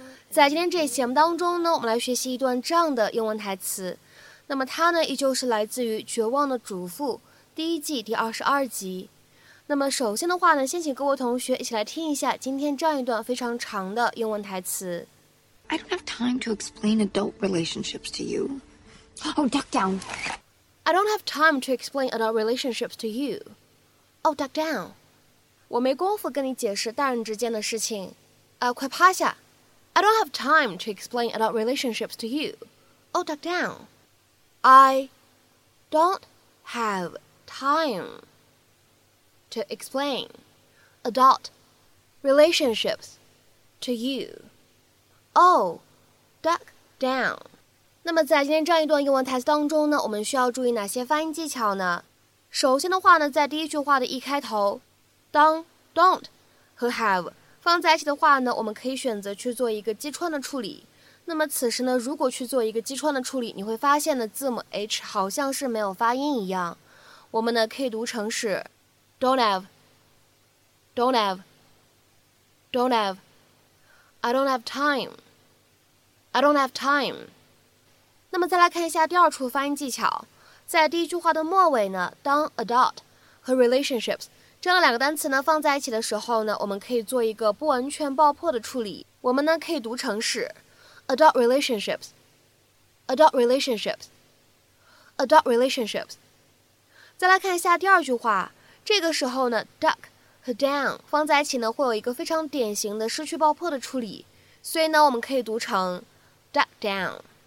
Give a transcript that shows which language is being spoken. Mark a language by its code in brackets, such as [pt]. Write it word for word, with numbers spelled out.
[zh] 在今天这一期节目当中呢，我们来学习一段这样的英文台词。那么它呢，依旧是来自于《绝望的主妇》第一季第二十二集。那么首先的话呢，先请各位同学一起来听一下今天这样一段非常长的英文台词。 [en] I don't have time to explain adult relationships to you. Oh, duck down. I don't have time to explain adult relationships to you. Oh, duck down. [zh] 我没功夫跟你解释大人之间的事情。呃，快趴下。 [en] I don't have time to explain adult relationships to you. Oh, duck down. I don't have time to explain adult relationships to you. Oh, duck down. [zh] 那么在今天这样一段英文台词当中呢，我们需要注意哪些发音技巧呢？首先的话呢，在第一句话的一开头，当 don't 和 have 放在一起的话呢，我们可以选择去做一个击穿的处理。那么此时呢，如果去做一个击穿的处理，你会发现呢，字母 h 好像是没有发音一样。我们呢可以读成是 [en] don't have, don't have, don't have, I don't have time, I don't have time。 [zh] 那么再来看一下第二处发音技巧，在第一句话的末尾呢，当 adult 和 relationships 这样两个单词呢放在一起的时候呢，我们可以做一个不完全爆破的处理。我们呢可以读成是 [en] adult relationships, adult relationships, adult relationships。 [zh] 再来看一下第二句话，这个时候呢 duck 和 down 放在一起呢会有一个非常典型的失去爆破的处理，所以呢我们可以读成 duck down。